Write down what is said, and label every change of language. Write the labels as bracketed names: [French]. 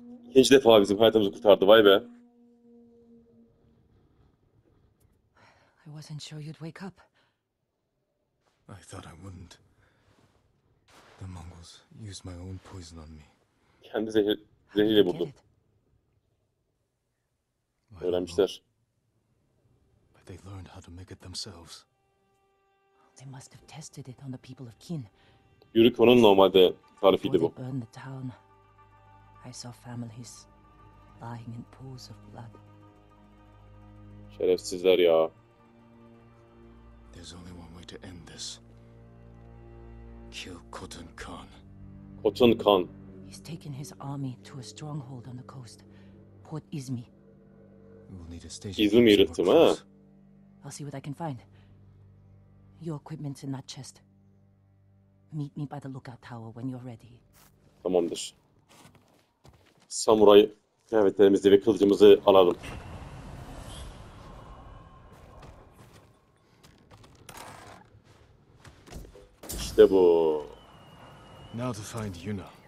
[Turkish] İkinci defa bizim hayatımızı kurtardı, vay be. [English] I wasn't sure you'd wake up. I thought I wouldn't. The Mongols used my own poison on me. [Turkish] Kendi zehriyle buldu. Öğrenmişler. [English] But they learned how to make it themselves. They must have tested it on the people of Qin. [Turkish] Yürük onun normalde tarifiydi bu. [English] Before they burned the town, I saw families lying in pools of blood. [Turkish] Şerefsizler ya. [English] There's only one way to end this. Kill Khotun Khan. Khotun Khan. He's taken his army to a stronghold on the coast, Port Izmi. We'll need a station. [Turkish] İzmir'i yırttım ha. [English] I'll see what I can find. Your equipment's in that chest. Meet me by the lookout tower when you're ready. [Turkish] Tamamdır. Samuray kıyafetlerimizi ve kılıcımızı alalım. İşte bu. [English] Now to find Yuna.